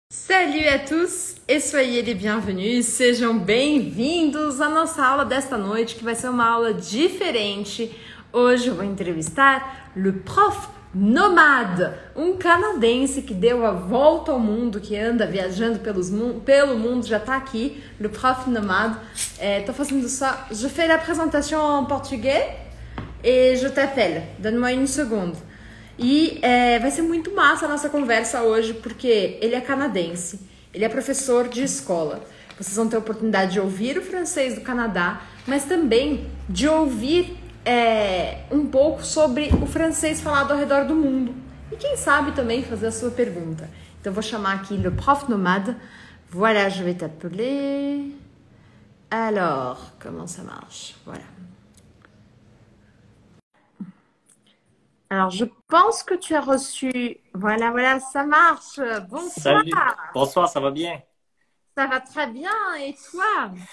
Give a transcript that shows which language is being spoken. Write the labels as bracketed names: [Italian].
[French] Salut a tous [Portuguese] e [French] soyez les bienvenus, [Portuguese] sejam bem-vindos à nossa aula desta noite, que vai ser uma aula diferente. Hoje eu vou entrevistar le prof nomade, um canadense que deu a volta ao mundo, que anda viajando pelo mundo, já tá aqui, le prof nomade. Tô fazendo só, [French] je fais la présentation en portugais et je t'appelle, donne-moi une seconde. [Portuguese] E vai ser muito massa a nossa conversa hoje, porque ele é canadense, ele é professor de escola. Vocês vão ter a oportunidade de ouvir o francês do Canadá, mas também de ouvir um pouco sobre o francês falado ao redor do mundo. E quem sabe também fazer a sua pergunta. Então vou chamar aqui le prof nomade. [French] Voilà, je vais t'appeler. Alors, comment ça marche? Voilà. Alors, je pense que tu as reçu... Voilà, voilà, ça marche. Bonsoir. Salut. Bonsoir, ça va bien? Ça va très bien. Et toi?